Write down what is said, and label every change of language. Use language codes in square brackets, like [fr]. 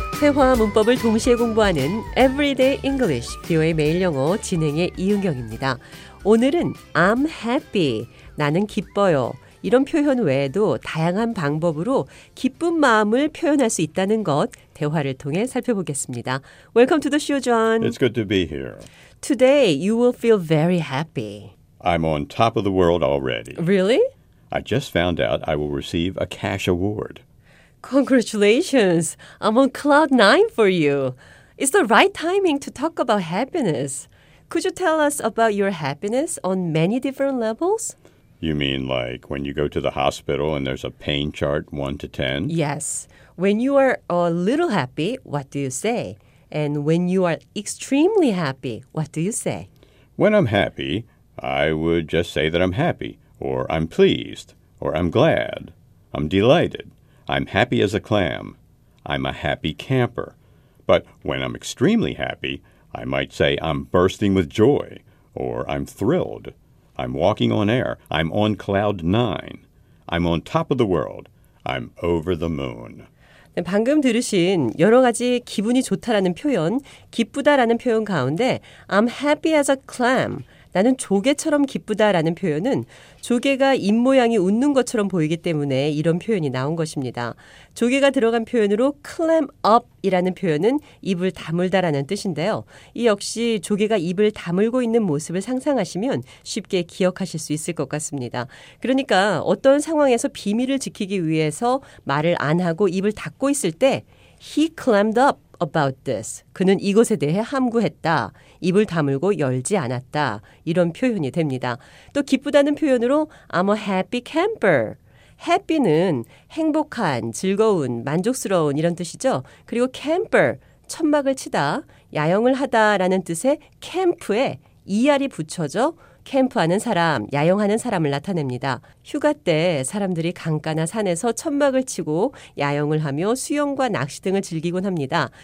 [ko] 회화 문법을 동시에 공부하는 Everyday English, 비오의 매일 영어 진행의 이은경입니다. 오늘은 [en] I'm happy, [ko] 나는 기뻐요. 이런 표현 외에도 다양한 방법으로 기쁜 마음을 표현할 수 있다는 것 대화를 통해 살펴보겠습니다. [en] Welcome to the show, John. It's good to be here. Today, you will feel very happy. I'm on top of the world already. Really? I just found out I will receive a cash award. Congratulations. I'm on cloud nine for you. It's the right timing to talk about happiness. Could you tell us about your happiness on many different levels? You mean like when you go to the hospital and there's a pain chart 1 to 10? Yes. When you are a little happy, what do you say? And when you are extremely happy, what do you say? When I'm happy, I would just say that I'm happy, or I'm pleased, or I'm glad, I'm delighted, I'm happy as a clam, I'm a happy camper. But when I'm extremely happy, I might say I'm bursting with joy, or I'm thrilled, I'm walking on air, I'm on cloud nine, I'm on top of the world, I'm over the moon. [ko] 방금 들으신 여러 가지 기분이 좋다라는 표현, 기쁘다라는 표현 가운데 [en] I'm happy as a clam, [ko] 나는 조개처럼 기쁘다라는 표현은 조개가 입모양이 웃는 것처럼 보이기 때문에 이런 표현이 나온 것입니다. 조개가 들어간 표현으로 clam up이라는 표현은 입을 다물다라는 뜻인데요. 이 역시 조개가 입을 다물고 있는 모습을 상상하시면 쉽게 기억하실 수 있을 것 같습니다. 그러니까 어떤 상황에서 비밀을 지키기 위해서 말을 안 하고 입을 닫고 있을 때 [en] he clammed up. About this. [ko] 그는 이것에 대해 함구했다. 입을 다물고 열지 않았다. 이런 표현이 됩니다. 또 기쁘다는 표현으로 [en] I'm a happy camper. [ko] Happy는 행복한, 즐거운, 만족스러운 이런 뜻이죠. 그리고 camper, 천막을 치다, 야영을 하다라는 뜻의 camp에 er이 붙여져 캠프하는 사람, 야영하는 사람을 나타냅니다. 휴가 때 사람들이 강가나 산에서 천막을 치고 야영을 하며 수영과 낚시 등을 즐기곤 합니다.